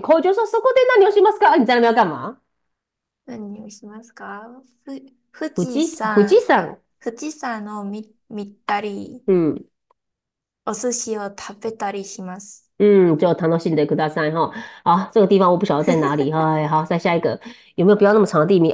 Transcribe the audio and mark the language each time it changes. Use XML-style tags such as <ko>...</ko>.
<zh>口语就说 cold day，那你要去莫斯科，你在那边要干嘛？</zh> <ja>何をしますか？富士山，富士山を見たり、お寿司を食べたりします。就楽しんでください哈。</ja> <zh>好，这个地方我不晓得在哪里。哎，好，再下一个有没有不要那么长的地名？</zh>